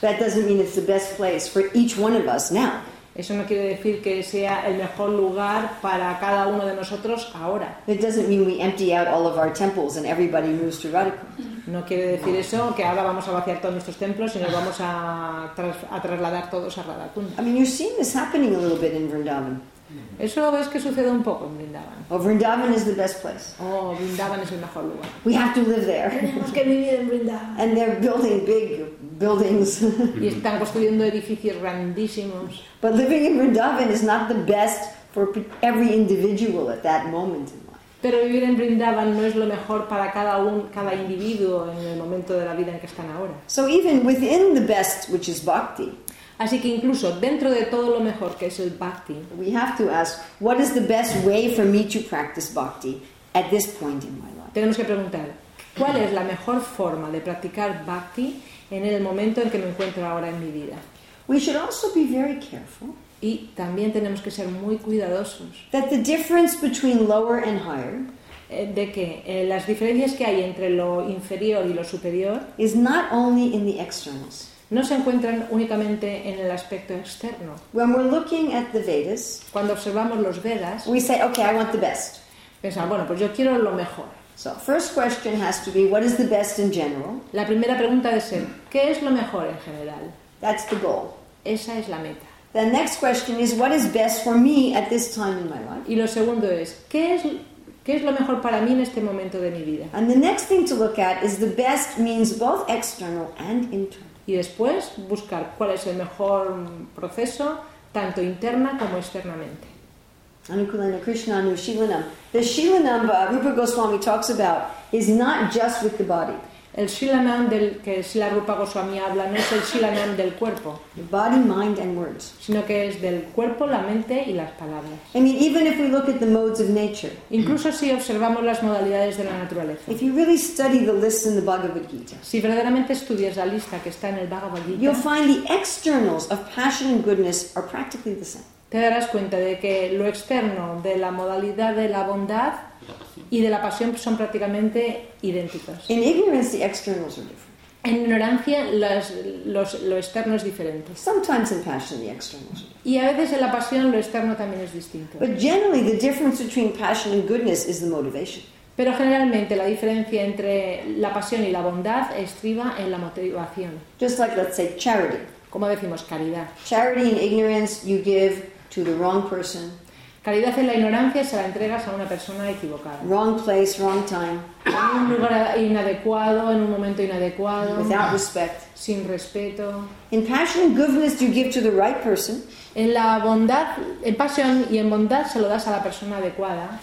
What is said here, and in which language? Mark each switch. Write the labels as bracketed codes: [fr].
[en] That doesn't mean it's the best place for each one of us now. [es] Eso no quiere decir que sea el mejor lugar para cada uno de nosotros ahora. [en] It doesn't mean we empty out all of our temples and everybody moves to Radhika. [es] No quiere decir eso, que ahora vamos a vaciar todos nuestros templos y nos vamos a trasladar todos a Radhakunda. [en] I mean, you've seen this happening a little bit in Vrindavan. [es] Eso es que sucede un poco en Vrindavan. [en] Oh, Vrindavan is the best place. [es] Oh, Vrindavan es el mejor lugar. [en] We have to live there. [es] Tenemos que vivir en Vrindavan. [en] And they're building big buildings. [es] Y están construyendo edificios grandísimos. [en] But living in Vrindavan is not the best for every individual at that moment in life. [es] Pero vivir en Vrindavan no es lo mejor para cada individuo en el momento de la vida en que están ahora. [en] So even within the best, which is bhakti. [es] Así que incluso dentro de todo lo mejor que es el bhakti, [en] we have to ask, what is the best way for me to practice bhakti at this point in my life? [es] Tenemos que preguntar, ¿cuál es la mejor forma de practicar bhakti en el momento en que me encuentro ahora en mi vida? [en] We should also be very careful. [es] Y también tenemos que ser muy cuidadosos. [en] That the difference between lower and higher, [es] de que las diferencias que hay entre lo inferior y lo superior, [en] is not only in the externals. [es] No se encuentran únicamente en el aspecto externo. [en] When we're looking at the Vedas, [es] cuando observamos los Vedas, [en] we say, okay, I want the best. [es] Pensamos, bueno, pues yo quiero lo mejor. [en] So, first question has to be, what is the best in general? [es] La primera pregunta debe ser, ¿qué es lo mejor en general? [en] That's the goal. [es] Esa es la meta. [en] The next question is, what is best for me at this time in my life? [es] Y lo segundo es, ¿qué es lo mejor para mí en este momento de mi vida? [en] And the next thing to look at is, the best means both external and internal. [es] Y después buscar cuál es el mejor proceso, tanto interna como externamente. [sa] Anukulana Krishna Anu Shilanam. [en] The Shilanam Rupa Goswami talks about is not just with the body. [es] El Shilanam del que Srila Rupa Goswami habla no es el Shilanam del cuerpo. [en] The body, mind and words. [es] Sino que es del cuerpo, la mente y las palabras. [en] I mean, even if we look at the modes of nature. [es] Incluso si observamos las modalidades de la naturaleza. [en] If you really study the list in the Bhagavad Gita. [es] Si verdaderamente estudias la lista que está en el Bhagavad Gita. [en] You'll find the externals of passion and goodness are practically the same. [es] Te darás cuenta de que lo externo de la modalidad de la bondad y de la pasión son prácticamente idénticos. [en] In ignorance, the externals are different. [es] En ignorancia, lo externo es diferente. [en] Sometimes in passion, the externals are different. [es] Y a veces en la pasión, lo externo también es distinto. [en] But generally, the difference between passion and goodness is the motivation. [es] Pero generalmente, la diferencia entre la pasión y la bondad estriba en la motivación. [en] Just like, let's say, charity. [es] Como decimos, caridad. [en] Charity in ignorance, you give to the wrong person. [es] Caridad en la ignorancia se la entregas a una persona equivocada. [en] Wrong place, wrong time. [es] En un lugar inadecuado, en un momento inadecuado. [en] Without respect. [es] Sin respeto. [en] In passion and goodness, you give to the right person. [es] En la bondad, en pasión y en bondad se lo das a la persona adecuada.